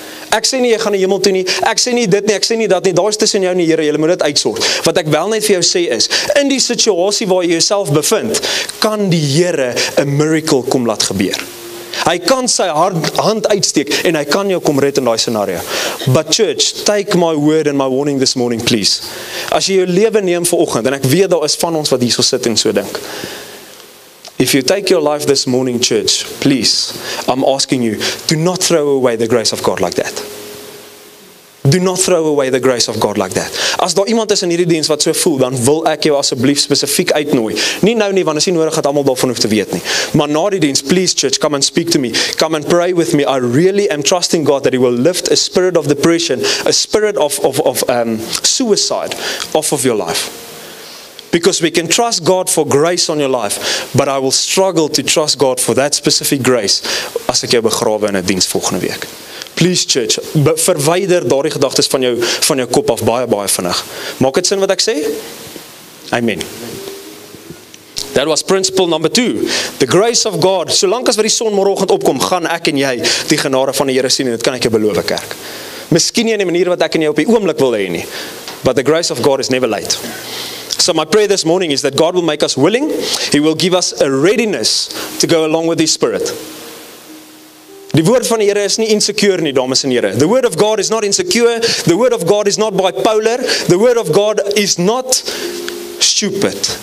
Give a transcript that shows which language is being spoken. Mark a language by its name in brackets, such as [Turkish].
[Afrikaans] Ek sê nie jy gaan die hemel toe nie. Ek sê nie dit nie, ek sê nie dat nie. Daar is tussen jou en die Here, jy moet dit uitsort. Wat ek wel net vir jou sê is, in die situasie waar jy jouself bevind, kan die Here 'n miracle kom laat gebeur. Hy kan sy hand uitsteek en hy kan jou kom red in daai scenario. [English] But church, take my word and my warning this morning, please. [Afrikaans] As jy jou lewe neem vanoggend en ek weet daar is van ons wat hierso sit en so dink. [English] If you take your life this morning, church, please, I'm asking you, do not throw away the grace of God like that. Do not throw away the grace of God like that. [Afrikaans] As daar iemand is in hierdie diens wat so voel, dan wil ek jou asseblief spesifiek uitnooi. Nie nou nie, want as jy nodig het, almal daarvan hoef te weet nie. Maar na die diens, [English] please church, come and speak to me. Come and pray with me. I really am trusting God that he will lift a spirit of depression, a spirit of suicide off of your life. Because we can trust God for grace on your life, but I will struggle to trust God for that specific grace [Afrikaans] as ek jou begrawe in 'n diens volgende week. Please church, verwyder daardie gedagtes van jou kop af baie vinnig. Maak dit sin wat ek sê? Amen. [English] That was principle number 2. The grace of God. [Afrikaans] Solank as wat die son môreoggend opkom, gaan ek en jy die genade van die Here sien en dit kan ek jou beloof, kerk. Miskien nie in die manier wat ek en jy op die oomblik wil hê nie, [English] but the grace of God is never late. So my prayer this morning is that God will make us willing. He will give us a readiness to go along with His Spirit. [Afrikaans] Die woord van die Here is nie insecure nie, dames en here. [English] The word of God is not insecure. The word of God is not bipolar. The word of God is not stupid.